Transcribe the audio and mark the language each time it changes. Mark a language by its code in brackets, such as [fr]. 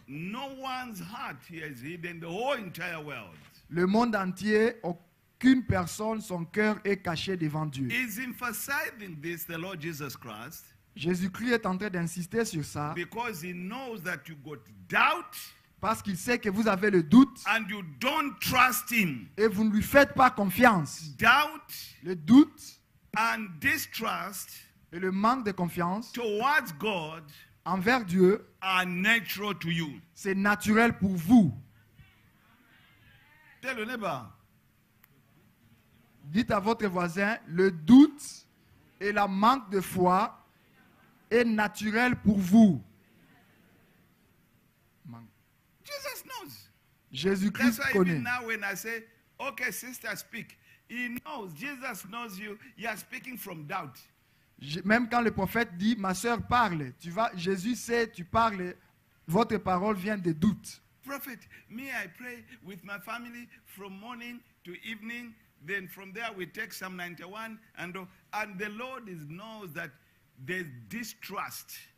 [en] No one's heart is hidden the whole entire world. [fr] Le monde entier, aucune personne, son cœur est caché devant Dieu. [en] He's emphasizing this, the Lord Jesus Christ. [fr] Jésus-Christ est en train d'insister sur ça. [en] Because he knows that you got doubt. [fr] Parce qu'il sait que vous avez le doute. [en] And you don't trust him. [fr] Et vous ne lui faites pas confiance. [en] Doubt. [fr] Le doute. [en] And distrust. [fr] Et le manque de confiance. [en] Towards God. [fr] Envers Dieu. [en] Are natural to you. [fr] C'est naturel pour vous. [en] Tell your neighbor. [fr] Dites à votre voisin, le doute et la manque de foi est naturel pour vous. [en] Jesus knows. [fr] Jésus-Christ [en] That's why [fr] connaît. [en] Even now when I say, okay, sister, speak. He knows, Jesus knows you. He is speaking from doubt. [fr] Même quand le prophète dit, ma soeur parle, tu vas, Jésus sait, tu parles, votre parole vient de doute. [en] Prophet, me, I pray with my family from morning to evening. Then from there we take Psalm 91. And the Lord knows that there's distrust.